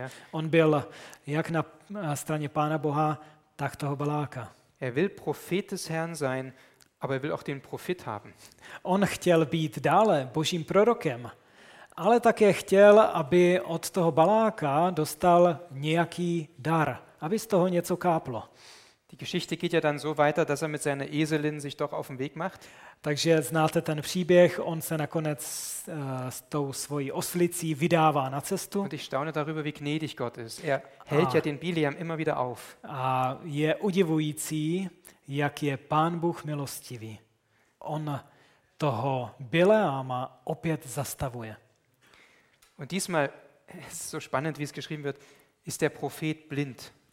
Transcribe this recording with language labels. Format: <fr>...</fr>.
<cs>On byl jak na straně Pána Boha, tak toho Baláka.</cs> <de>Er will Prophet des Herrn sein, aber er will auch den Profit haben.</de> <cs>On chtěl být dále božím prorokem, ale také chtěl, aby od toho Baláka dostal nějaký dar, aby z toho něco káplo.</cs> <de>Die Geschichte geht ja dann so weiter, dass er mit seiner Eselin sich doch auf den Weg macht.</de> <cs>Takže znáte ten příběh, on se nakonec s tou svojí oslicí vydává na cestu.</cs> <de>Und ich staune darüber, wie gnädig Gott ist. Er hält ja den Biliam immer wieder auf.</de> <cs>A je udivující, jak je Pán Bůh milostivý. On toho Bileama opět zastavuje.</cs> <de>Und diesmal ist so spannend, wie es geschrieben wird, ist der Prophet blind.</de>